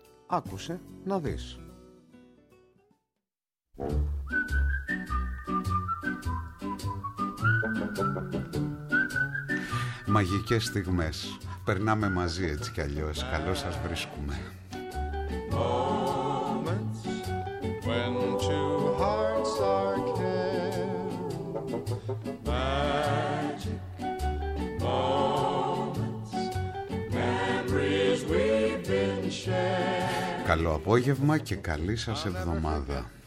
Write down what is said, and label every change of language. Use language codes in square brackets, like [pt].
[el] άκουσε να δεις. Μαγικές στιγμές. Περνάμε μαζί έτσι κι αλλιώς. Καλώς σας βρίσκουμε. [en] When two hearts are kept, magic moments, memories we've been shared. [el] Καλό απόγευμα και καλή σας εβδομάδα.